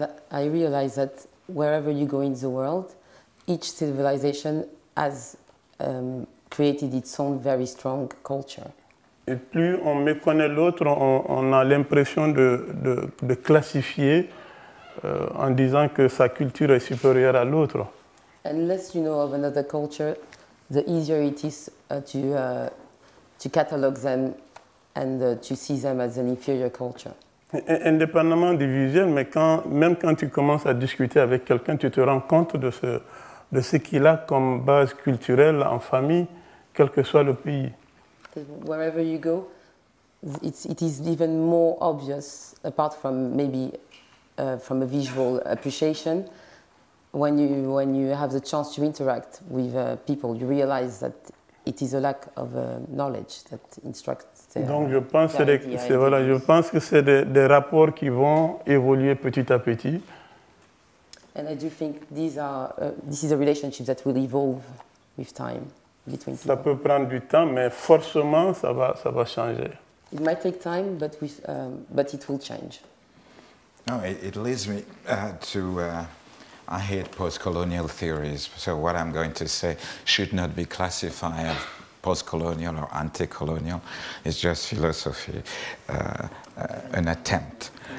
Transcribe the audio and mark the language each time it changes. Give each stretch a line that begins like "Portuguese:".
English: I realize that wherever you go in the world, each civilization has created its own very strong culture.
French: Et plus on méconnaît l'autre, on a l'impression de classifier en disant que sa culture est supérieure à l'autre.
English: And less you know of another culture, the easier it is to catalogue them and to see them as an inferior culture.
French: Indépendamment du visuel, mais quand tu commences à discuter avec quelqu'un, tu te rends compte de ce qu'il a comme base culturelle en famille, quel que soit le pays.
English: Wherever you go, it is even more obvious, apart from maybe from a visual appreciation, when you have the chance to interact with people, you realize that it is a lack of knowledge that instructs.
French: Donc je pense que c'est des rapports qui vont évoluer petit à petit.
English: And I do think this is a relationship that will evolve with time between people.
French: Ça peut prendre du temps, mais forcément ça va changer.
English: It might take time, but but it will change. No, it leads me to I hate post-colonial theories. So what I'm going to say should not be classified. Post-colonial or anti-colonial, it's just philosophy, an attempt.